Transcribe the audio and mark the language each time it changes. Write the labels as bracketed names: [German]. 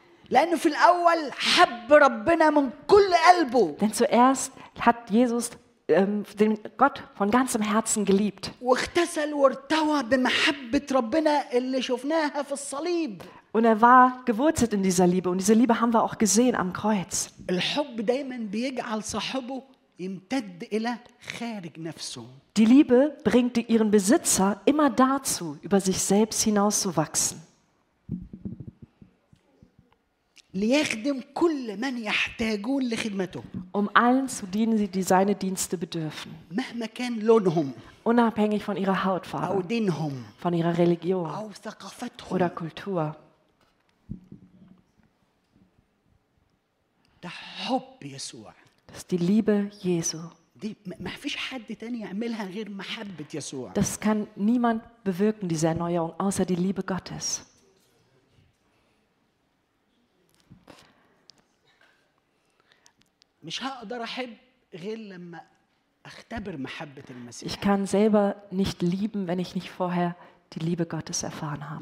[Arabic] لأنه في الأول حب ربنا من كل قلبه. [German] Denn zuerst hat Jesus den Gott von ganzem Herzen geliebt. [Arabic] واغتسل وارتوى بمحبة ربنا اللي شفناها في الصليب. [German] Und er war gewurzelt in dieser Liebe und diese Liebe haben wir auch gesehen am Kreuz. [Arabic] الحب دائما بيجعل صاحبه يمتد إلى خارج نفسه. [German] Die Liebe bringt ihren Besitzer immer dazu, über sich selbst hinauszuwachsen. [Arabic] ليخدم كل من يحتاجون لخدمته. [German] Um allen zu dienen, die seine Dienste bedürfen. [Arabic] مهما كان لونهم. [German] Unabhängig von ihrer Hautfarbe. [Arabic] أو دينهم. [German] Von ihrer Religion. [Arabic] أو ثقافتهم. [German] Oder Kultur. [Arabic] ده حب يسوع. [German] Das ist die Liebe Jesu. [Arabic] دي ما فيش حد تاني يعملها غير محبة يسوع. [German] Das kann niemand bewirken, diese Erneuerung, außer die Liebe Gottes. [Arabic] مش هقدر احب غير لما اختبر محبه المسيح. [German] Ich kann selber nicht lieben, wenn ich nicht vorher die Liebe Gottes erfahren habe.